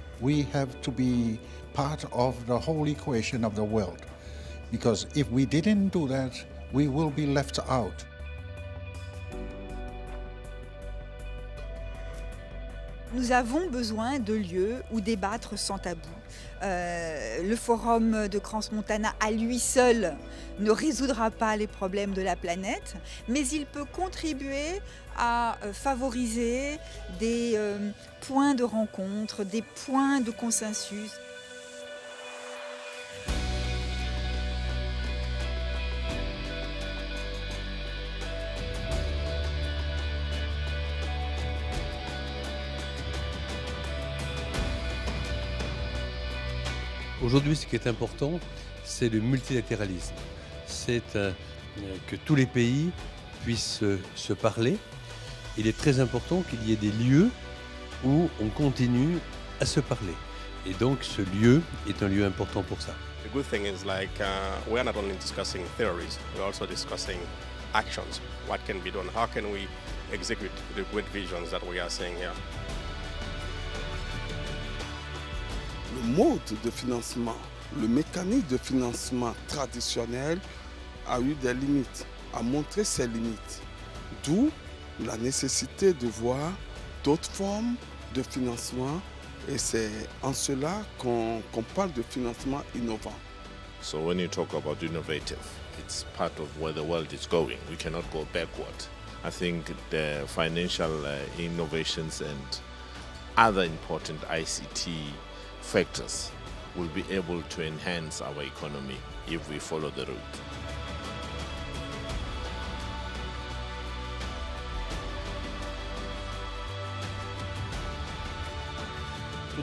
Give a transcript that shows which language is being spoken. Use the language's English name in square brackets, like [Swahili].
[English] We have to be part of the whole equation of the world. Because if we didn't do that, we will be left out. [French] Nous avons besoin de lieux où débattre sans tabou. Le forum de Crans-Montana à lui seul ne résoudra pas les problèmes de la planète, mais il peut contribuer à favoriser des points de rencontre, des points de consensus. Aujourd'hui, ce qui est important, c'est le multilatéralisme. C'est que tous les pays puissent se parler. Il est très important qu'il y ait des lieux où on continue à se parler. Et donc, ce lieu est un lieu important pour ça. [English] The good thing is like we are not only discussing theories, we are also discussing actions. What can be done? How can we execute the great visions that we are seeing here? [French] Le mode de financement, le mécanisme de financement traditionnel a eu des limites, a montré ses limites. D'où la nécessité de voir d'autres formes de financement et c'est en cela qu'on parle de financement innovant. [English] So when you talk about innovative, it's part of where the world is going. We cannot go backward. I think the financial innovations and other important ICT factors we'll be able to enhance our economy if we follow the route.